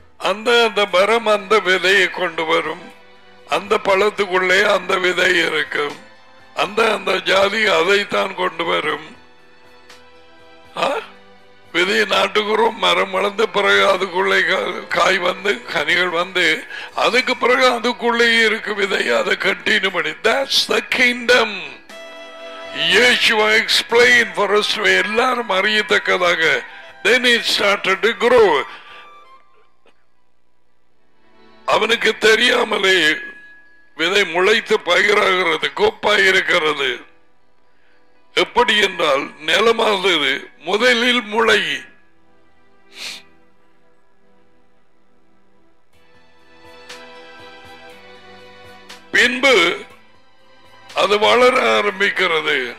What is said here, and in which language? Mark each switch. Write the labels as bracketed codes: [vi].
[ta] அந்த அந்த மரம் அந்த விதையை கொண்டு வரும், அந்த பழத்துக்குள்ளே அந்த விதை இருக்கும், அந்த அந்த ஜாதி அதைத்தான் கொண்டு வரும். விதை நாட்டுக்குறோம், மரம் வளர்ந்த பிறகு அதுக்குள்ளே காய் வந்து கனிகள் வந்து அதுக்கு பிறகு அதுக்குள்ளேயே இருக்கு விதை, அதை கண்டினியூ பண்ணி. [en] That's the kingdom. Yeshua explained for us to [ta] எல்லாரும் அறியத்தக்கதாக. [en] Then it started to grow. [ta] அவனுக்கு தெரியாமலே விதை முளைத்து பயிராகிறது, கோப்பாய் இருக்கிறது. எப்படி என்றால் நிலமானது முதலில் முளை, பின்பு அது வளர ஆரம்பிக்கிறது.